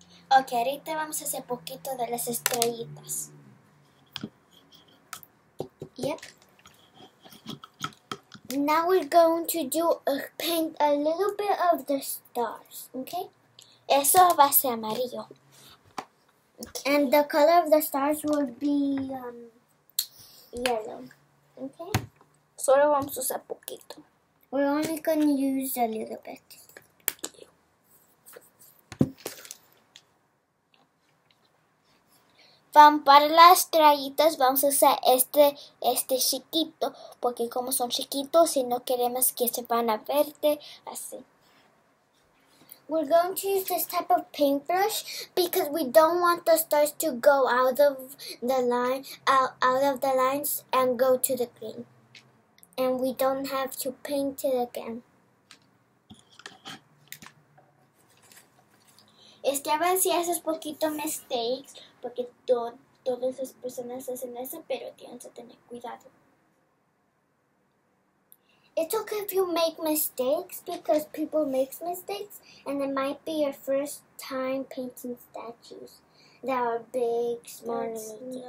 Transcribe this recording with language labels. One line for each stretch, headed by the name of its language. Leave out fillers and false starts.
Spanish: Ok, ahorita vamos a hacer poquito de las estrellitas.
English: Yep. Now we're going to do paint a little bit of the stars, okay?
Spanish: Eso va a ser amarillo.
English: Okay. And the color of the stars will be yellow, okay?
Spanish: Solo vamos a usar poquito.
English: We're only going to use a little bit.
Spanish: Para las estrellitas vamos a usar este chiquito, porque como son chiquitos y no queremos que se van a verte así.
English: We're going to use this type of paintbrush because we don't want the stars to go out of the line, out of the lines and go to the green. And we don't have to paint it again.
Spanish: Es que a veces haces poquito mistakes, porque todas las personas hacen eso, pero tienes que tener cuidado.
English: It's okay if you make mistakes, because people make mistakes, and it might be your first time painting statues that are big, small, and medium.